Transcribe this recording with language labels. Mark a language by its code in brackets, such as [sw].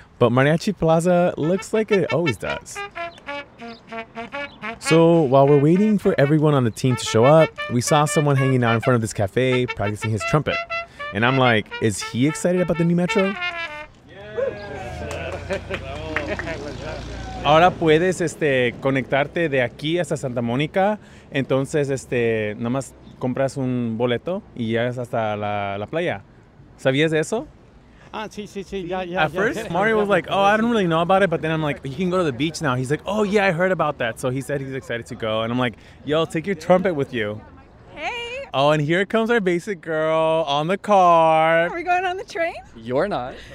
[en] But Mariachi Plaza looks like it always does. So while we're waiting for everyone on the team to show up, we saw someone hanging out in front of this cafe practicing his trumpet. And I'm like, is he excited about the new metro? [es] Ahora puedes conectarte de aquí hasta Santa Mónica. Entonces nomás compras un boleto y llegas hasta la playa. ¿Sabías eso? [en] At first, Mario was like, oh, I don't really know about it. But then I'm like, you can go to the beach now. He's like, oh, yeah, I heard about that. So he said he's excited to go. And I'm like, yo, take your trumpet with you. Hey. Oh, and here comes our basic girl on the car. Are we going on the train? You're not.